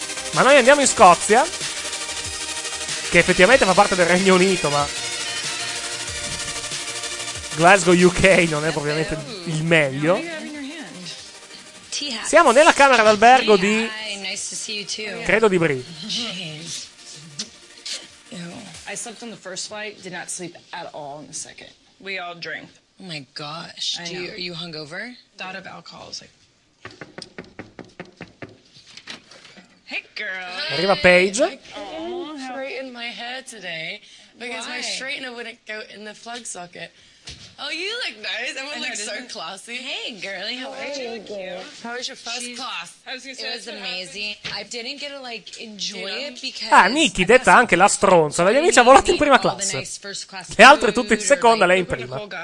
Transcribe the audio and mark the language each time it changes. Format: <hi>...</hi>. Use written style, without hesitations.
<it>Ma noi andiamo in Scozia, che effettivamente fa parte del Regno Unito, ma Glasgow UK non è ovviamente il meglio. Siamo nella camera d'albergo di</it> <en>nice to see you too.</en> <it>Credo di Brie.</it> <en>I slept on the first flight, did not sleep at all on the second. We all drank. Oh my gosh. Are you hungover? Thought of alcohol is like. Hey girl.</en> <it>Arriva Paige.</it> <en>Straight in my hair today because my straightener wouldn't go in the plug socket. Oh, you look nice. Everyone looks so classy. Hey, girly. How are you? Thank you. How was your first class? It was amazing. I didn't get to like enjoy it because.</en> <it>Ah, Nikki, detta anche la stronza. La mia amica ha volato in prima classe. Le altre tutte in seconda, lei in prima.</it>